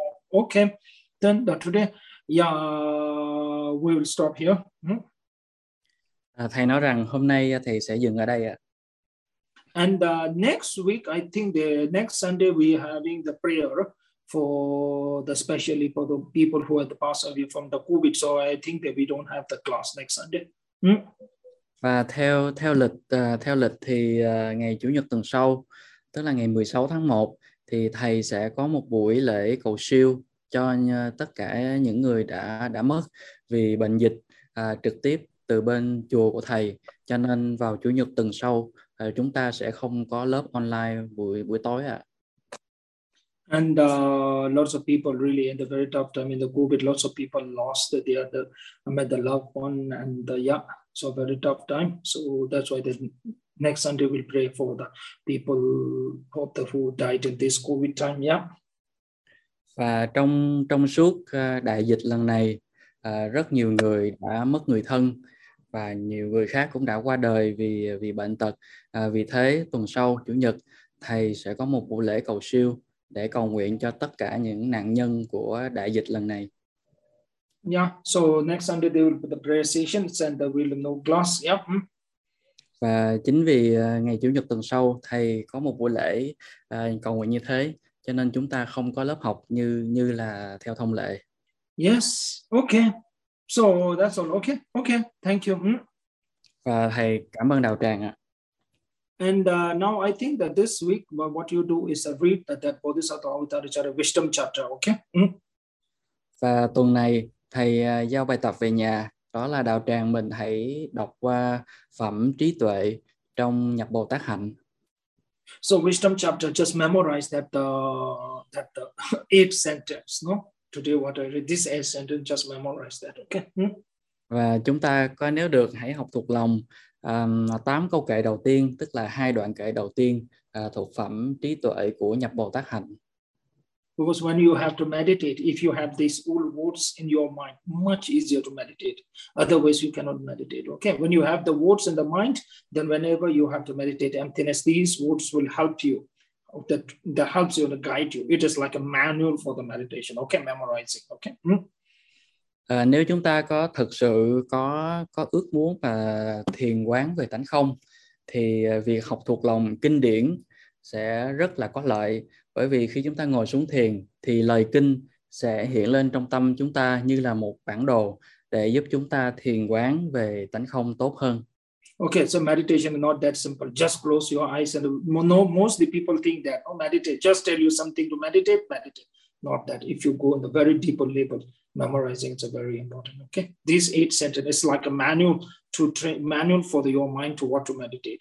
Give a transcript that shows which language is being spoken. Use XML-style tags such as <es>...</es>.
<en>Okay, then today, yeah, we will stop here.</en> <vi>Thầy nói rằng hôm nay thầy sẽ dừng ở đây ạ.</vi> <en>And next week, I think the next Sunday, we are having the prayer for the especially for the people who have passed away from the COVID. So I think that we don't have the class next Sunday.</en> <vi>Và theo lịch thì ngày Chủ nhật tuần sau, tức là ngày 16 tháng 1, thì thầy sẽ có một buổi lễ cầu siêu cho tất cả những người đã mất vì bệnh dịch trực tiếp từ bên chùa của thầy. Cho nên vào Chủ nhật tuần sau, chúng ta sẽ không có lớp online buổi tối ạ.</vi> <en>And lots of people really in the very tough time in the COVID, lots of people lost the loved one and yeah, so very tough time. So that's why the next Sunday we'll pray for the people who died in this COVID time, yeah.</en> <vi>Và trong suốt đại dịch lần này, rất nhiều người đã mất người thân và nhiều người khác cũng đã qua đời vì bệnh tật. Vì thế, tuần sau, Chủ nhật, thầy sẽ có một buổi lễ cầu siêu để cầu nguyện cho tất cả những nạn nhân của đại dịch lần này.</vi> <en>Yeah, so next Sunday they will put the prayer session and there will be no class, yeah.</en> <vi>Và chính vì ngày Chủ nhật tuần sau, thầy có một buổi lễ cầu nguyện như thế, cho nên chúng ta không có lớp học như là theo thông lệ.</vi> <en>Yes, okay. So that's all. Okay. Thank you.</en> <vi>Và thầy cảm ơn đạo tràng ạ.</vi> <en>And now I think that this week what you do is read that Bodhisattva Avataracharya Wisdom Chapter, okay?</en> <vi>Và tuần này thầy giao bài tập về nhà, đó là đạo tràng mình hãy đọc qua phẩm trí tuệ trong Nhập Bồ Tát Hạnh.</vi> <en>So wisdom chapter, just memorize that the eight sentences, no? today what I read this eight sentence, just memorize that, okay?</en> <vi>Và chúng ta có nếu được hãy học thuộc lòng 8 câu kệ đầu tiên, tức là hai đoạn kệ đầu tiên thuộc phẩm trí tuệ của Nhập Bồ Tát Hạnh.</vi> <en>Because when you have to meditate, if you have these old words in your mind, much easier to meditate. Otherwise, you cannot meditate. Okay, when you have the words in the mind, then whenever you have to meditate emptiness, these words will help you. That helps you to guide you. It is like a manual for the meditation. Okay, memorizing. Okay.</en> <vi>Nếu chúng ta có thực sự có ước muốn mà thiền quán về tánh không, thì việc học thuộc lòng kinh điển sẽ rất là có lợi. Bởi vì khi chúng ta ngồi xuống thiền thì lời kinh sẽ hiện lên trong tâm chúng ta như là một bản đồ để giúp chúng ta thiền quán về tánh không tốt hơn.</vi> <en>Okay, so meditation is not that simple. Just close your eyes and know, most of the people think that, oh, meditate, just tell you something to meditate, meditate. Not that. If you go in the very deeper level, memorizing is very important. Okay, these eight sentences is like a manual to train, manual for your mind to what to meditate.</en>